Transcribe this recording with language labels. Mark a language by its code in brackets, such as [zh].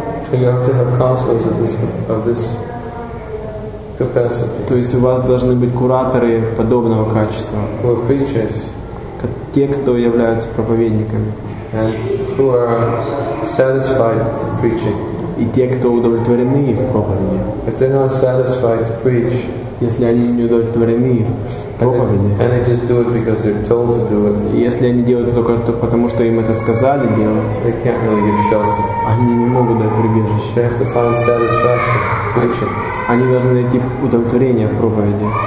[en] So you have to have counselors of this capacity. [ru] То есть у вас должны быть кураторы подобного качества. [en] Who are preachers. [ru] Те, кто являются проповедниками. [en] And who are satisfied in preaching. [ru] И те, кто удовлетворены в проповеди. [en] If they're not satisfied to preach, [ru] если они не удовлетворены в проповеди, [en] and they just do it because they're told to do it, [ru] если они делают только то, потому что им это сказали делать, [en] they can't really give shelter. [ru] Они не могут дать прибежище. [en] They have to find satisfaction in preaching. [ru] Они должны найти удовлетворение в проповеди.